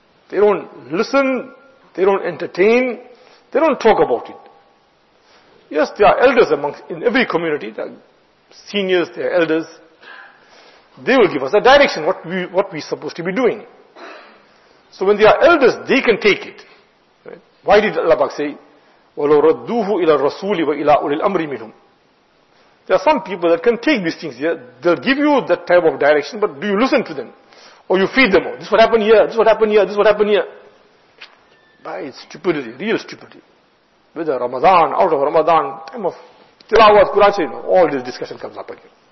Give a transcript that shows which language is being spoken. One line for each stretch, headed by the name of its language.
English: They don't listen, they don't entertain, they don't talk about it. Yes, there are elders amongst, in every community, there are seniors, there are elders. They will give us a direction, what we're supposed to be doing. So when they are elders, they can take it. Right? Why did Allah Pak say,
Arabic: وَلَوْ رَدُّوهُ إِلَى الرَّسُولِ وَإِلَىٰ أُولِي الْأَمْرِ مِنْهُمْ?
English: There are some people that can take these things here. They'll give you that type of direction, but do you listen to them? Or you feed them, this is what happened here, this is what happened here, this is what happened here. By stupidity, real stupidity. Whether Ramadan, out of Ramadan, time of Tilawat, Quran, you know, all this discussion comes up again.